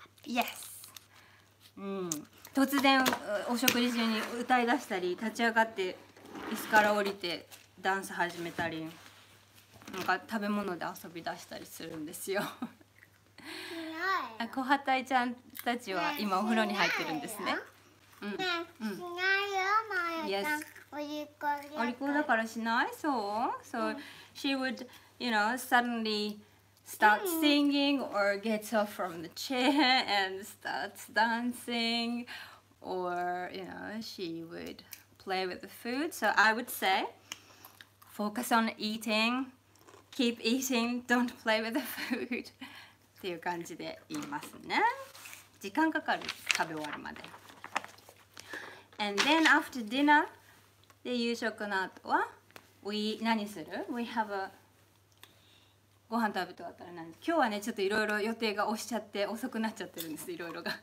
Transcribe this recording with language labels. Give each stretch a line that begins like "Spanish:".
Japanese: Yes.、突然お食事中に歌い出したり、立ち上がって椅子から降りてダンス始めたり、なんか食べ物で遊び出したりするんですよ。しないよ。コハタイちゃんたちは今お風呂に入ってるんですね。ねえ、しないよ、マヤちゃん。お利口だからしない？そう？
English: So she would, you know, suddenly start singing or gets up from the chair and starts dancing or, you know, she would play with the food. So I would say, focus on eating, keep eating, don't play with the food.
Japanese: っていう感じで言いますね。時間かかる、食べ終わるまで。
English: And then after dinner,
Japanese: で、夕食の後は、何する ?
English: We have a...
Japanese: ご飯食べて終わったら何今日はね、ちょっといろいろ予定が押しちゃって、遅くなっちゃってるんです、いろいろが。